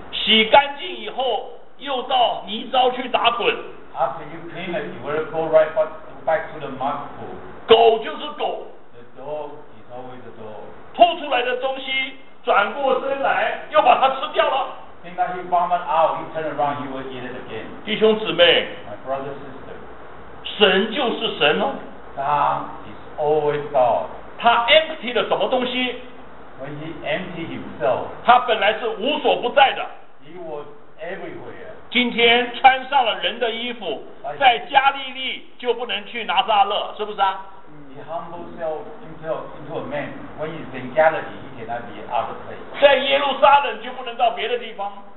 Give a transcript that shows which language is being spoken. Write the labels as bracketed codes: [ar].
[zh] 洗干净以后，又到泥沼去打滚。 [en] After you clean it, you will go right back to the mud pool。 [zh] 狗就是狗。 [en] The dog is always a dog。 [zh] 吐出来的东西，转过身来又把它吃掉了。 [en] Think that he vomit out, he turn around, he will eat it again. [zh] 弟兄姊妹 [en] ，My brother, sister, [zh] 神就是神哦。 [en] God is always God. [zh] 他 empty 了什么东西 [en] ？When he empty himself, [zh] 他本来是无所不在的。 [en] He was everywhere. [zh] 今天穿上了人的衣服，在加利利就不能去拿撒勒，是不是啊 [en] ？He humbled himself into a man. When he's in Galilee. [zh] 在耶路撒冷就不能到别的地方。